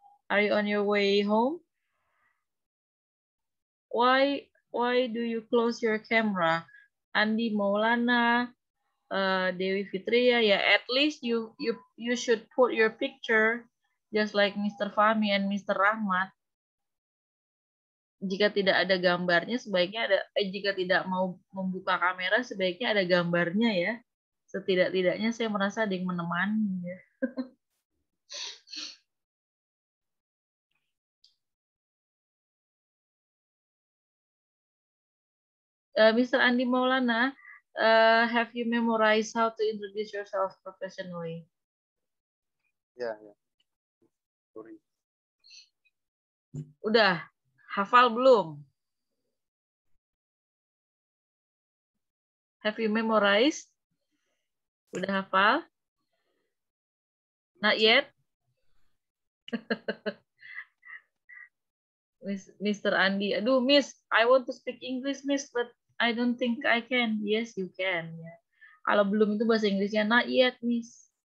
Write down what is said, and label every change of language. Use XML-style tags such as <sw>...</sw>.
<en>Are you on your way home? Why do you close your camera? Andi Maulana, Dewi Fitria, yeah, at least you should put your picture just like Mr. Fahmi and Mr. Rahmat.</en> <id>Jika tidak ada gambarnya, sebaiknya ada. Jika tidak mau membuka kamera, sebaiknya ada gambarnya ya. Setidak-tidaknya saya merasa ada yang menemani. Ya.</id> <en>Mr. Andi Maulana, have you memorized how to introduce yourself professionally? Yeah. Sorry.</en> <id>Udah. Hafal belum?</id> <en>Have you memorized?</en> <id>Udah hafal?</id> <en>Not yet? Mr. Andi, aduh, Miss, I want to speak English, Miss, but I don't think I can. Yes, you can. Yeah.</en> <id>Kalau belum itu bahasa Inggrisnya,</id> <en>not yet, Miss.</en>